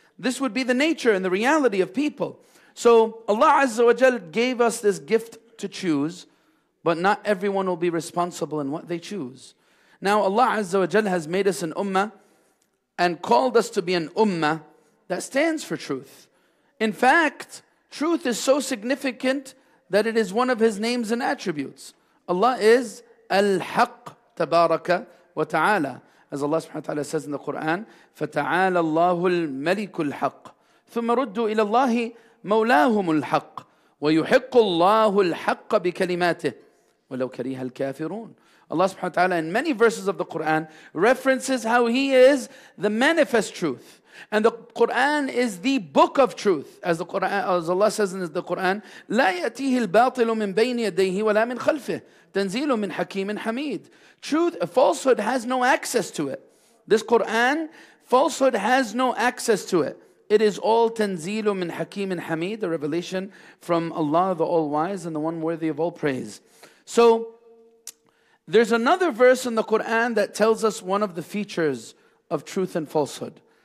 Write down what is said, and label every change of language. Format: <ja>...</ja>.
<en>This would be the nature and the reality of people. So Allah Azza wa Jal gave us this gift to choose, but not everyone will be responsible in what they choose. Now Allah Azza wa Jal has made us an ummah and called us to be an ummah that stands for truth. In fact, truth is so significant that it is one of His names and attributes. Allah is Al-Haqq Tabaraka wa Ta'ala. As Allah subhanahu wa ta'ala says in the Quran,</en> <ar>فَتَعَالَ اللَّهُ الْمَلِكُ الْحَقِّ ثُمَّ رُدُّوا إِلَى اللَّهِ مَوْلَاهُمُ الْحَقِّ وَيُحِقُّ اللَّهُ الْحَقَّ بِكَلِمَاتِهِ وَلَوْ كَرِيهَ الْكَافِرُونَ.</ar> <en>Allah subhanahu wa ta'ala in many verses of the Quran references how He is the manifest truth. And the Quran is the book of truth. As Allah says in the Quran,</en> <ar>لَا يَأْتِيهِ الْبَاطِلُ مِنْ بَيْنِ يَدَيْهِ وَلَا مِنْ خَلْفِهِ تَنْزِيلُ مِنْ حَكِيمٍ حَمِيدٍ.</ar> <en>Truth, falsehood has no access to it. This Quran, falsehood has no access to it. It is all tanzeelu min hakeem and hameed, the revelation from Allah the All-Wise and the One worthy of all praise. So, there's another verse in the Quran that tells us one of the features of truth and falsehood.</en>